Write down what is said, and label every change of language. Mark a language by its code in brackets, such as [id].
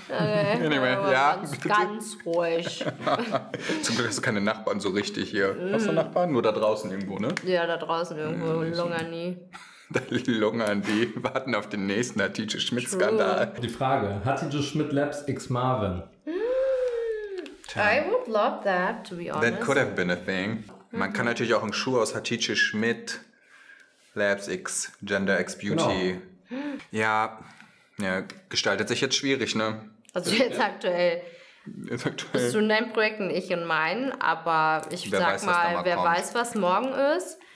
[de] Anyway, ja. Ganz ruhig. Zum Glück hast du keine Nachbarn so richtig hier. Hast du Nachbarn? Nur da draußen irgendwo, ne? Ja, da draußen irgendwo. Longani. Da lungern die, warten auf den nächsten Hatice Schmidt-Skandal. Die Frage, Hatice Schmidt Labs x Marvin? [en] I would love that, to be honest. That could have been a thing. [de] Man kann natürlich auch einen Schuh aus Hatice Schmidt Labs x Gender x Beauty. Ja, ja, gestaltet sich jetzt schwierig, ne? Also jetzt aktuell. Bist du in deinen Projekten, ich in meinen, aber ich sag mal, wer weiß, was morgen ist.